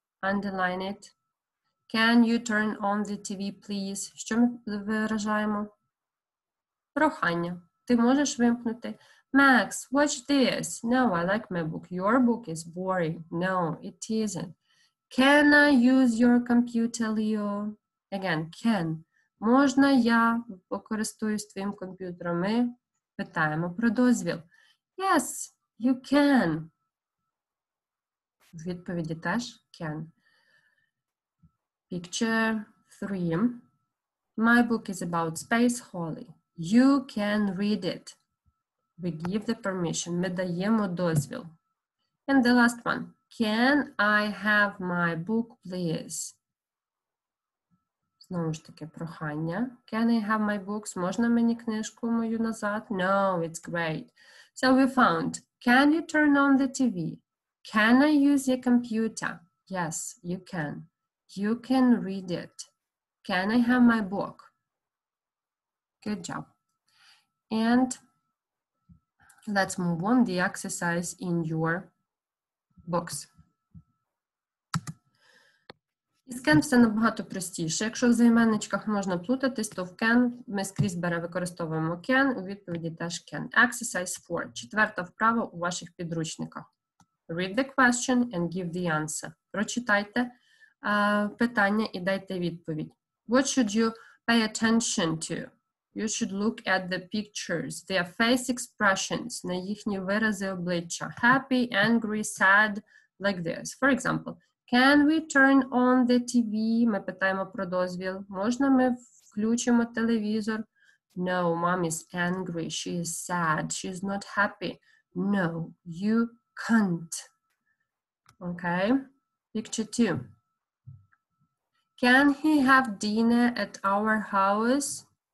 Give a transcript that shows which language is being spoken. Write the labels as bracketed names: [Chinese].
[English] Underline it. Can you turn on the TV, please? [Ukrainian] Що ми виражаємо? Прохання. Ти можеш вимкнути? [English] Max, watch this. No, I like my book. Your book is boring. No, it isn't. Can I use your computer, Leo? Again, can. [Ukrainian] Можна я користуюсь твоїм комп'ютером? Ми питаємо про дозвіл. [English] Yes, you can. [Ukrainian] В відповіді теж can. [English] Picture 3. My book is about space, Holly. You can read it. We give the permission. [Ukrainian] Ми даємо дозвіл. [English] And the last one. Can I have my book, please? [Ukrainian] Знову ж таки, прохання. [English] Can I have my books? [Ukrainian] Можна мені книжку мою назад? [English] No, it's great. So we found. Can you turn on the TV? Can I use your computer? Yes, you can. You can read it. Can I have my book? Good job. And let's move on the exercise in your books. [Ukrainian] Із can все набагато простіше. Якщо в займенничках можна плутатись, то в can ми скрізь бере використовуємо can, у відповіді теж can. [English] Exercise 4. [Ukrainian] Четверта вправа у ваших підручниках. [English] Read the question and give the answer. [Ukrainian] Прочитайте питання і дайте відповідь. [English] What should you pay attention to? You should look at the pictures, their face expressions, [Ukrainian] на їхні вирази обличчя. [English] Happy, angry, sad, like this. For example, can we turn on the TV? [Ukrainian] Ми питаємо про дозвіл. Можна ми включимо телевізор? [English] No, mom is angry. She is sad. She is not happy. No, you can't. Okay. Picture 2. Can he have dinner at our house?